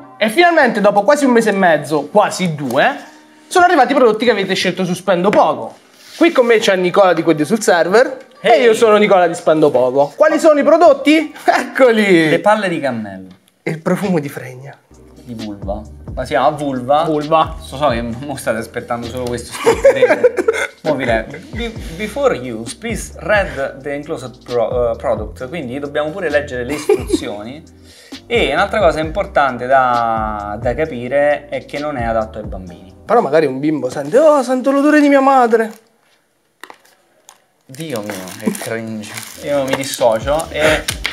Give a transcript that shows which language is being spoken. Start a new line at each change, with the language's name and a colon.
Italian: E finalmente, dopo quasi un mese e mezzo, quasi due, sono arrivati i prodotti che avete scelto su Spendo Poco. Qui con me c'è Nicola di Quelli sul Server. Hey. E io sono Nicola di Spendo Poco. Quali sono i prodotti? Eccoli! Le palle di cannello. E il profumo di fregna. Di vulva. Ma si chiama vulva? Vulva. So che mo state aspettando solo questo scoprire. Mo direi,
English: before you, please read the enclosed product.
Italian: Quindi dobbiamo pure leggere le istruzioni. E un'altra cosa importante da capire è che non è adatto ai bambini. Però magari un bimbo sente, oh, sento l'odore di mia madre. Dio mio, che cringe. Io mi dissocio e...